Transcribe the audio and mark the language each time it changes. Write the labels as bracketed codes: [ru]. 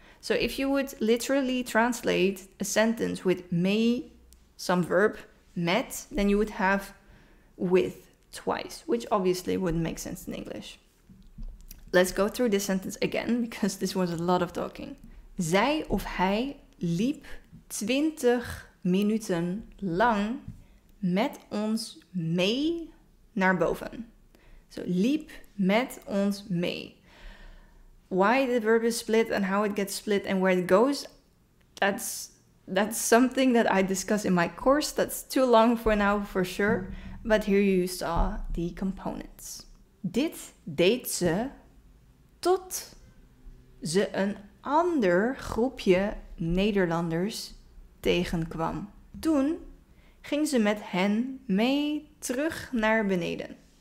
[en] So if you would literally translate a sentence with mee, some verb, met, then you would have with twice, which obviously wouldn't make sense in English. Let's go through this sentence again, because this was a lot of talking. [nl] Zij of hij liep 20 minuten lang met ons mee naar boven. So liep met ons mee. [en] Why the verb is split and how it gets split and where it goes, that's something that I discuss in my course. That's too long for now for sure. But here you saw the components. [nl] Dit deed ze tot ze een ander groepje Nederlanders tegenkwam. Toen ging ze met hen mee terug naar beneden.